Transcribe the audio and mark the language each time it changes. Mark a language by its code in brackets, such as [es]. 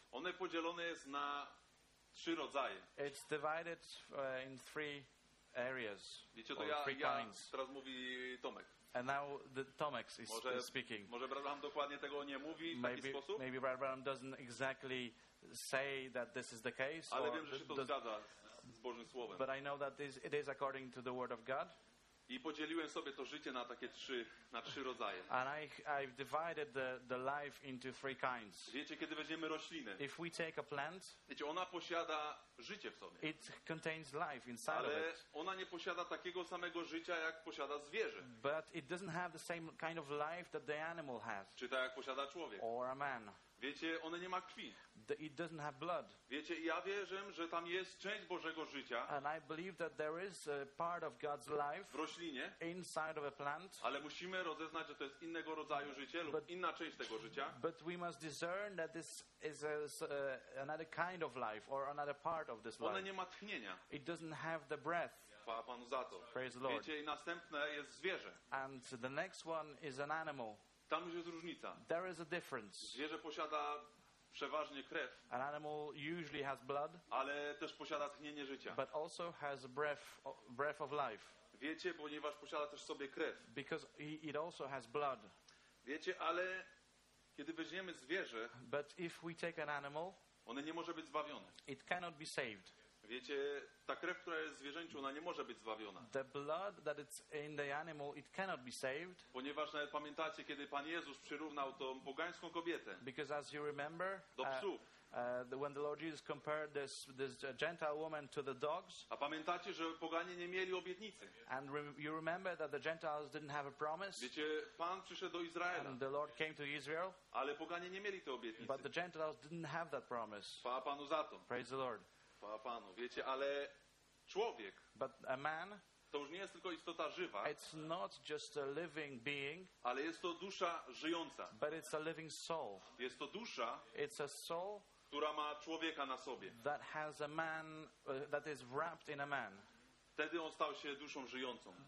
[pl] one podzielone jest na trzy rodzaje. [en] It's divided in three areas. [pl] Wiecie, to ja teraz mówi Tomek. [en] And now the Tomek is speaking. [pl] Może Brabham dokładnie tego nie mówi w [en] maybe, [pl] taki sposób. [en] Maybe Brabham doesn't exactly say that this is the case. [pl] Ale wiem, że się to zgadza z Bożym Słowem. [en] But I know that this, it is according to the word of God. [pl] I podzieliłem sobie to życie na takie trzy rodzaje. [en] And I've divided the life into three kinds. [pl] Wiecie, kiedy weźmiemy roślinę, [en] if we take a plant, [pl] wiecie, ona posiada życie w sobie. [en] It contains life inside [pl] ale [en] of it. [pl] Ona nie posiada takiego samego życia, jak posiada zwierzę. [en] But it doesn't have the same kind of life that the animal has. [pl] Czy tak, jak posiada człowiek. [en] Or a man. [pl] Wiecie, ona nie ma krwi. [en] It doesn't have blood. [pl] Wiecie, ja wierzę, że tam jest część Bożego życia. [en] And I believe that there is a part of God's life [pl] w roślinie. [en] Inside of a plant. [pl] Ale musimy rozeznać, że to jest innego rodzaju życie lub inna część tego życia. [en] But we must discern that this is another kind of life or another part of this life. [pl] Ona nie ma tchnienia. [en] It doesn't have the breath. [pl] Chwała Panu za to. [en] Praise the Lord. [pl] Wiecie, i następne jest zwierzę. [en] And the next one is an animal. [pl] Tam już jest różnica. [en] There is a difference. [pl] Zwierzę posiada przeważnie krew. [en] An animal usually has blood. [pl] Ale też posiada tchnienie życia. [en] But also has breath of life. [pl] Wiecie, ponieważ posiada też sobie krew. [en] Because it also has blood. [pl] Wiecie, ale kiedy weźmiemy zwierzę, [en] but if we take an animal, [pl] one nie może być zbawione. [en] It cannot be saved. [pl] Wiecie, ta krew, która jest w zwierzęciu, ona nie może być zbawiona. [en] The blood that it's in the animal, it cannot be saved. [pl] Ponieważ nawet pamiętacie, kiedy Pan Jezus przyrównał tą pogańską kobietę. [en] Because as you remember, [pl] do psów. [en] When the Lord Jesus compared this Gentile woman to the dogs. [pl] A pamiętacie, że poganie nie mieli obietnicy. [en] And you remember that the Gentiles didn't have a promise. [pl] Wiecie, Pan przyszedł do Izraela. [en] And the Lord came to Israel. [pl] Ale poganie nie mieli tej obietnicy. [en] But the Gentiles didn't have that promise. [pl] Chwała Panu za to. [en] Praise the Lord. [pl] Chwała Panu. Wiecie, ale człowiek. [en] But a man. [pl] To już nie jest tylko istota żywa. [en] It's not just a living being. [pl] Ale jest to dusza żyjąca. [en] But it's a living soul. [pl] Jest to dusza. [en] It's a soul. [pl] Która ma człowieka na sobie. [en] That has a man, that is wrapped in a man. [pl] Wtedy on stał się duszą żyjącą.